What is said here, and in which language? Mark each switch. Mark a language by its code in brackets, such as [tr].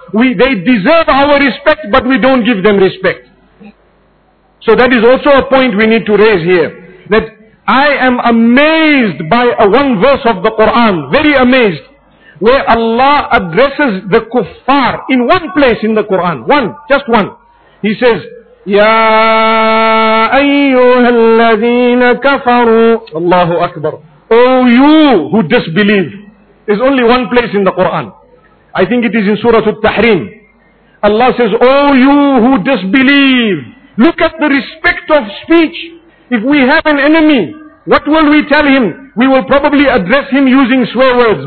[en] They deserve our respect, but we don't give them respect. So that is also a point we need to raise here. That I am amazed by one verse of the Quran, very amazed, where Allah addresses the kuffar in one place in the Quran. One, just one. He says, [ar] يَا أَيُّهَا الَّذِينَ كَفَرُوا. [en] Allahu Akbar. Oh you who disbelieve. There's only one place in the Quran. I think it is in Surah Al-Tahrim. Allah says, oh you who disbelieve. Look at the respect of speech. If we have an enemy, what will we tell him? We will probably address him using swear words.